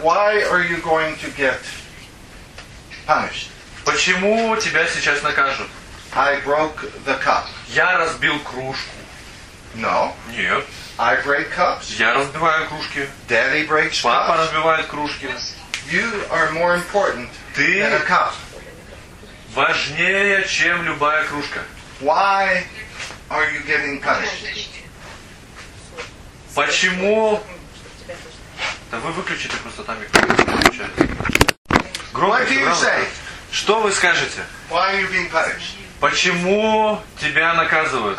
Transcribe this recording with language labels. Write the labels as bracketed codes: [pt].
[en] Why are you going to get punished? [ru] Почему тебя сейчас накажут? [en] I broke the cup. [ru] Я разбил кружку. [en] No. [ru] Нет. [en] I break cups. [ru] Я разбиваю кружки. [en] Daddy breaks [ru] Папа [en] cups. [ru] Папа разбивает кружки. [en] You are more important [ru] Ты [en] than a cup. [ru] Важнее, чем любая кружка. [en] Why are you getting punished? [ru] Почему? Да вы выключите просто там микрофон. [en] Громкость, What do you say? [ru] Что вы скажете? [en] Why are you being punished? [ru] Почему тебя наказывают?